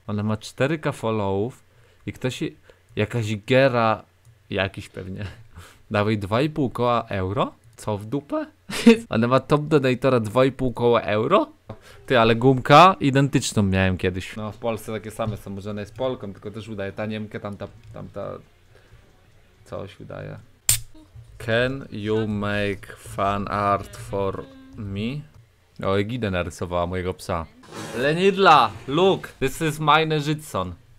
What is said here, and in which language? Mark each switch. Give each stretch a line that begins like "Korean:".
Polish: Ona ma 4k followów i ktoś, jakaś gera, jakiś pewnie, dawaj 2,5 koła euro? Co w dupę? Ona ma top donatora 2,5 koła euro? Ty, ale gumka identyczną miałem kiedyś. No, w Polsce takie same są, może ona jest Polką, tylko też udaje taniemkę, tamta coś udaje.
English: Can you make fan art for me?
Polish: O, Egidę narysowała mojego psa.
English: Lenidla, look, this is mine Jitson.